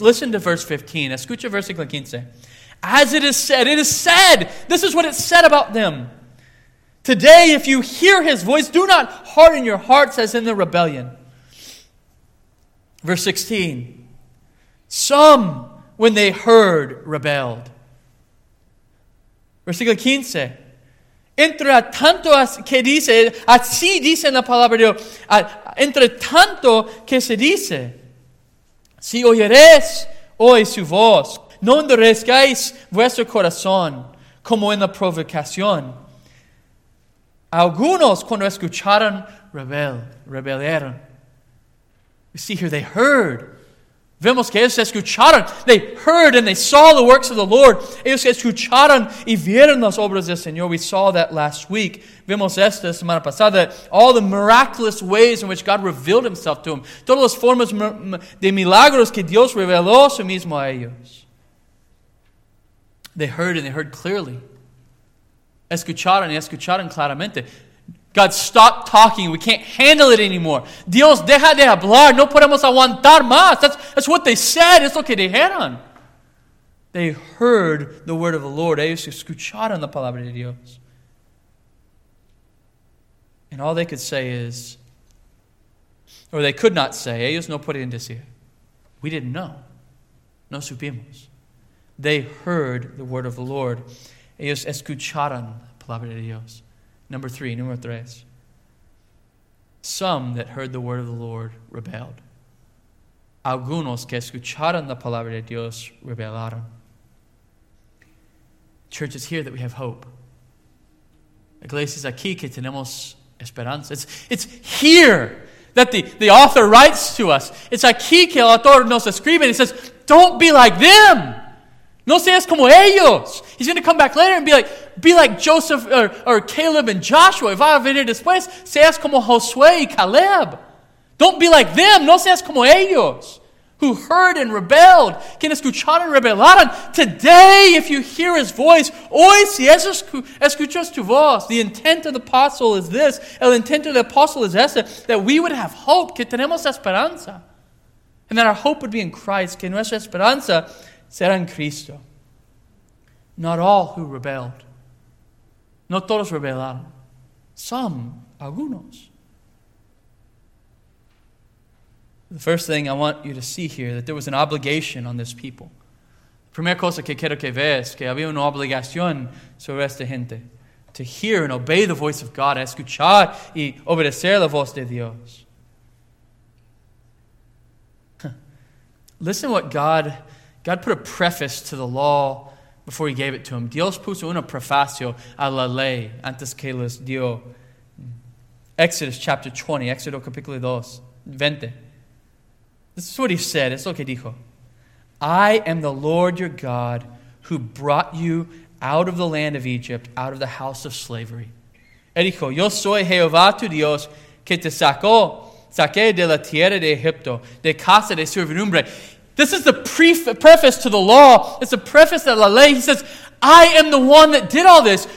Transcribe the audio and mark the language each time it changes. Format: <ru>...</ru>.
<en>Listen to verse 15.</en> <es>Escucha versículo 15.</es> <en>As it is said, this is what it said about them. Today, if you hear his voice, do not harden your hearts as in the rebellion. Verse 16. Some, when they heard, rebelled.</en> <es>Versículo 15. Entre tanto que dice, así dice la palabra de Dios, entre tanto que se dice, si oyeres hoy su voz, no endurezcáis vuestro corazón como en la provocación. Algunos cuando escucharon rebelaron.</es> <en>We see here they heard.</en> <es>Vemos que ellos escucharon.</es> <en>They heard and they saw the works of the Lord.</en> <es>Ellos escucharon y vieron las obras del Señor.</es> <en>We saw that last week.</en> <es>Vemos esta semana pasada.</es> <en>All the miraculous ways in which God revealed himself to them.</en> <es>Todas las formas de milagros que Dios reveló a sí mismo a ellos.</es> <en>They heard and they heard clearly.</en> <es>Escucharon y escucharon claramente.</es> <en>God, stop talking. We can't handle it anymore.</en> <es>Dios, deja de hablar. No podemos aguantar más.</es> <en>That's what they said.</en> <es>Es lo que dijeron.</es> <en>They heard the word of the Lord.</en> <es>Ellos escucharon la palabra de Dios.</es> <en>And all they could say is, or they could not say,</en> <es>ellos no pueden decir,</es> <en>we didn't know.</en> <es>No supimos.</es> <en>They heard the word of the Lord.</en> <es>Ellos escucharon la palabra de Dios. Número tres.</es> <en>Some that heard the word of the Lord rebelled.</en> <es>Algunos que escucharon la palabra de Dios rebelaron.</es> <en>Church, it's here that we have hope.</en> <es>Iglesia, es aquí que tenemos esperanza.</es> <en>It's here that the author writes to us.</en> <es>It's aquí que el autor nos escribe.</es> <en>He says, don't be like them.</en> <es>No seas como ellos.</es> <en>He's going to come back later and be like Joseph or Caleb and Joshua.</en> <es>Va a venir después. Seas como Josué y Caleb.</es> <en>Don't be like them.</en> <es>No seas como ellos.</es> <en>Who heard and rebelled.</en> <es>Quien escucharon y rebelaron.</es> <en>Today, if you hear his voice,</en> <es>hoy si escuchas tu voz.</es> <en>The intent of the apostle is this.</en> <es>El intento del apostle es este.</es> <en>That we would have hope.</en> <es>Que tenemos esperanza.</es> <en>And that our hope would be in Christ.</en> <es>Que nuestra esperanza será en Cristo.</es> <en>Not all who rebelled.</en> <es>No todos rebelaron.</es> <en>Some, algunos. The first thing I want you to see here, that there was an obligation on this people.</en> <es>La primera cosa que quiero que veas, que había una obligación sobre esta gente.</es> <en>To hear and obey the voice of God,</en> <es>escuchar y obedecer la voz de Dios.</es> <en>Listen what God put a preface to the law before he gave it to him.</en> <es>Dios puso una prefacio a la ley antes que les dio.</es> <en>Exodus chapter 20, Exodus capítulo 2, 20. This is what he said.</en> <es>Es lo que dijo.</es> <en>I am the Lord your God who brought you out of the land of Egypt, out of the house of slavery.</en> <es>Él dijo, yo soy Jehová tu Dios que te saqué de la tierra de Egipto, de casa de servidumbre.</es> <en>This is the preface to the law. It's the preface to</en> <es>la ley.</es> <en>He says, I am the one that did all this.</en>